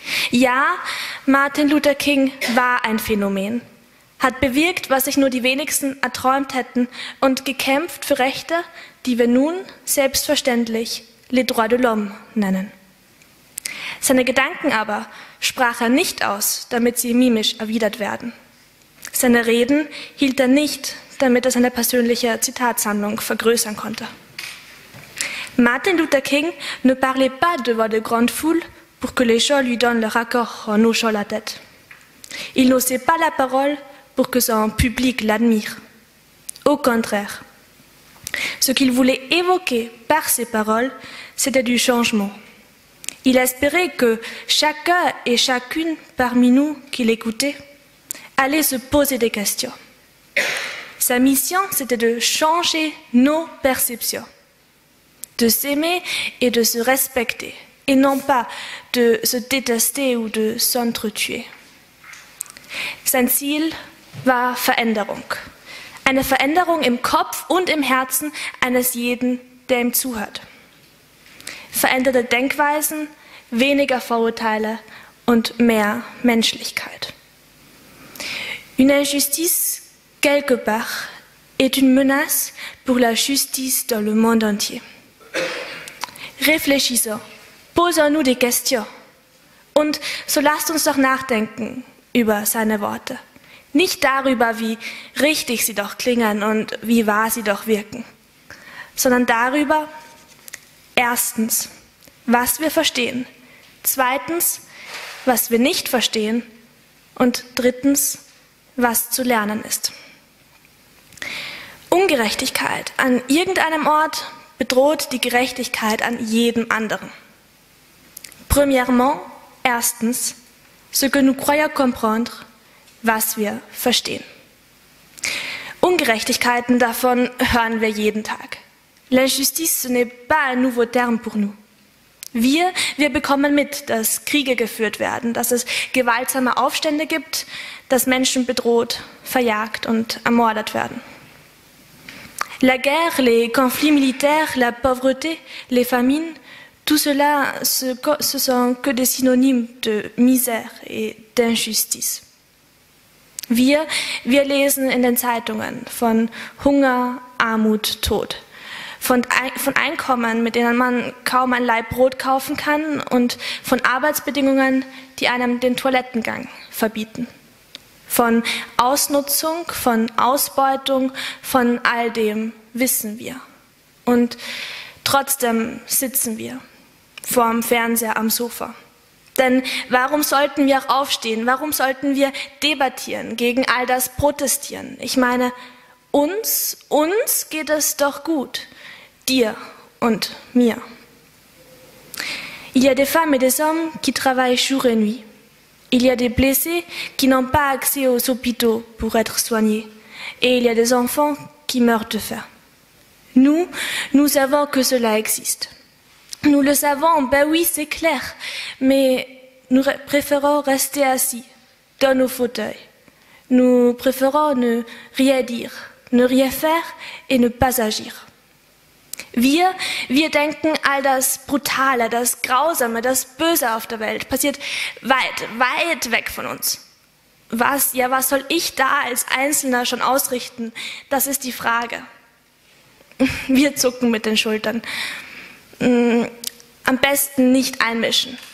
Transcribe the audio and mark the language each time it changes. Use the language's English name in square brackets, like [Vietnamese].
[German] Ja, Martin Luther King war ein Phänomen, hat bewirkt, was sich nur die wenigsten erträumt hätten und gekämpft für Rechte, die wir nun selbstverständlich [French] les droits de l'homme [German] nennen. Seine Gedanken aber sprach er nicht aus, damit sie mimisch erwidert werden. Seine Reden hielt er nicht, damit er seine persönliche Zitatsammlung vergrößern konnte. [French] Martin Luther King ne parlait pas devant de grandes foules, pour que les gens lui donnent leur accord en hochant la tête. Il n'osait pas la parole pour que son public l'admire. Au contraire, ce qu'il voulait évoquer par ses paroles, c'était du changement. Il espérait que chacun et chacune parmi nous qui l'écoutait allait se poser des questions. Sa mission, c'était de changer nos perceptions, de s'aimer et de se respecter. Et non pas de se détester ou de s'entretuer. [German] Sein Ziel war Veränderung. Eine Veränderung im Kopf und im Herzen eines jeden, der ihm zuhört. Veränderte Denkweisen, weniger Vorurteile und mehr Menschlichkeit. [French] Une injustice quelque part est une menace pour la justice dans le monde entier. Réfléchissons. Posons-nous des questions. [German] Und so lasst uns doch nachdenken über seine Worte. Nicht darüber, wie richtig sie doch klingen und wie wahr sie doch wirken, sondern darüber, erstens, was wir verstehen, zweitens, was wir nicht verstehen und drittens, was zu lernen ist. Ungerechtigkeit an irgendeinem Ort bedroht die Gerechtigkeit an jedem anderen. [French] Premièrement, [German] erstens, [French] ce que nous croyons comprendre, [German] was wir verstehen. Ungerechtigkeiten, davon hören wir jeden Tag. [French] L'injustice n'est pas un nouveau terme pour nous. [German] Wir bekommen mit, dass Kriege geführt werden, dass es gewaltsame Aufstände gibt, dass Menschen bedroht, verjagt und ermordet werden. [French] La guerre, les conflits militaires, la pauvreté, les famines, tout cela, ce sont que des synonymes de misère et d'injustice. [German] Wir lesen in den Zeitungen von Hunger, Armut, Tod, von Einkommen, mit denen man kaum ein Laib Brot kaufen kann, und von Arbeitsbedingungen, die einem den Toilettengang verbieten, von Ausnutzung, von Ausbeutung, von all dem wissen wir. Und trotzdem sitzen wir vorm Fernseher am Sofa. Denn warum sollten wir auch aufstehen? Warum sollten wir debattieren, gegen all das protestieren? Ich meine, Uns geht es doch gut, dir und mir. [French] Il y a des femmes et des hommes qui travaillent jour et nuit. Il y a des blessés qui n'ont pas accès aux hôpitaux pour être soignés. Et il y a des enfants qui meurent de faim. Nous, nous savons que cela existe. Nous le savons, ben oui, c'est clair. Mais nous préférons rester assis dans nos fauteuils. Nous préférons ne rien dire, ne rien faire et ne pas agir. [German] Wir denken, all das Brutale, das Grausame, das Böse auf der Welt passiert weit, weit weg von uns. Was soll ich da als Einzelner schon ausrichten? Das ist die Frage. Wir zucken mit den Schultern. Am besten nicht einmischen.